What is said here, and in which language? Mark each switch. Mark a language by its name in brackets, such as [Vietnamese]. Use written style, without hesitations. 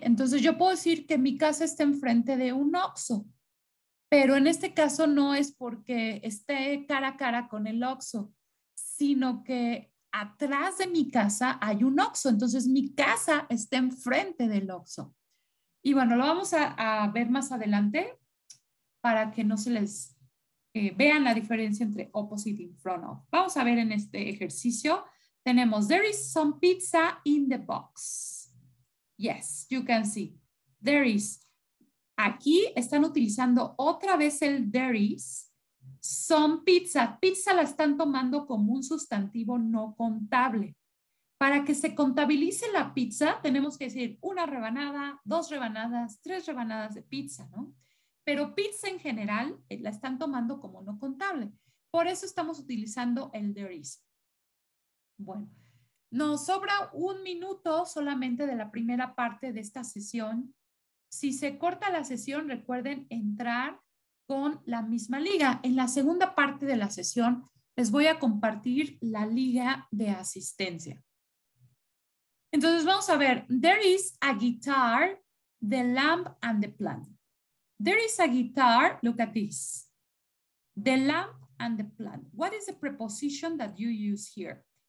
[Spanish] Entonces yo puedo decir que mi casa está enfrente de un Oxxo, pero en este caso no es porque esté cara a cara con el Oxxo, sino que atrás de mi casa hay un Oxxo. Entonces mi casa está enfrente del Oxxo. Y bueno, lo vamos a ver más adelante para que no se les vean la diferencia entre opposite y in front of. Vamos a ver en este ejercicio. Tenemos, [English] there is some pizza in the box. Yes, you can see. There is. [Spanish] Aquí están utilizando otra vez el [English] there is. Some pizza. [Spanish] Pizza la están tomando como un sustantivo no contable. Para que se contabilice la pizza, tenemos que decir una rebanada, dos rebanadas, tres rebanadas de pizza, ¿no? Pero pizza en general la están tomando como no contable. Por eso estamos utilizando el there is. Bueno. Nos sobra un minuto solamente de la primera parte de esta sesión. Si se corta la sesión, recuerden entrar con la misma liga. En la segunda parte de la sesión les voy a compartir la liga de asistencia. Entonces vamos a ver. [English] There is a guitar, the lamp and the plant. There is a guitar, look at this. The lamp and the plant. What is the preposition that you use here?